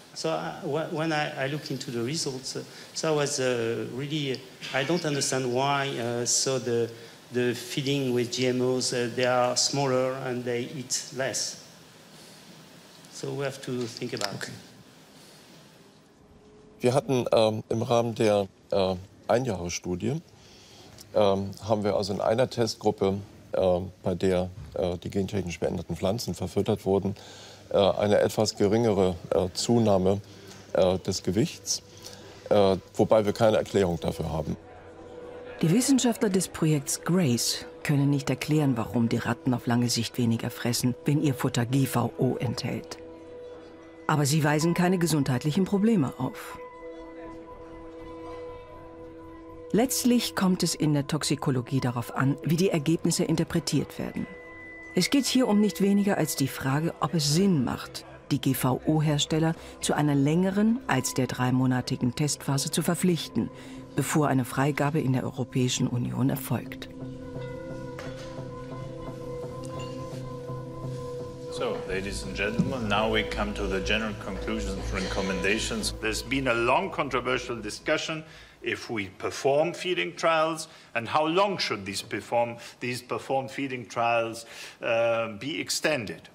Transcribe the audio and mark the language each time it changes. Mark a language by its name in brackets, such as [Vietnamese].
[English] So when I look into the results, so I was I don't understand why the feeding with GMOs, they are smaller and they eat less. So we have to think about it. [German] Wir hatten im Rahmen der Einjahresstudie, haben wir also in einer Testgruppe, bei der die gentechnisch veränderten Pflanzen verfüttert wurden, eine etwas geringere Zunahme des Gewichts, wobei wir keine Erklärung dafür haben. Die Wissenschaftler des Projekts GRACE können nicht erklären, warum die Ratten auf lange Sicht weniger fressen, wenn ihr Futter GVO enthält. Aber sie weisen keine gesundheitlichen Probleme auf. Letztlich kommt es in der Toxikologie darauf an, wie die Ergebnisse interpretiert werden. Es geht hier um nicht weniger als die Frage, ob es Sinn macht, die GVO-Hersteller zu einer längeren als der dreimonatigen Testphase zu verpflichten, bevor eine Freigabe in der Europäischen Union erfolgt. [English] So, ladies and gentlemen, now we come to the general conclusions and recommendations. There's been a long controversial discussion if we perform feeding trials and how long should these performed feeding trials be extended?